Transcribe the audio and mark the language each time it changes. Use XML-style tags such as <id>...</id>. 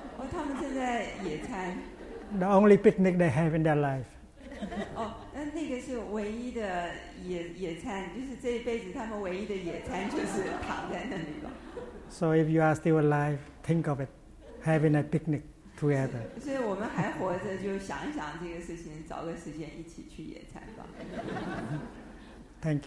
<zh>然后徒弟就说，哦，他们正在野餐.</zh> <en>The only picnic they have in their life.</en> <zh>那个是唯一的野餐，就是这一辈子他们唯一的野餐，就是躺在那里了。</zh> <en>So if you are still alive, think of it, having a picnic together.</en> <zh>所以我们还活着，就想一想这个事情，找个时间一起去野餐吧。</zh> <en>Thank</en>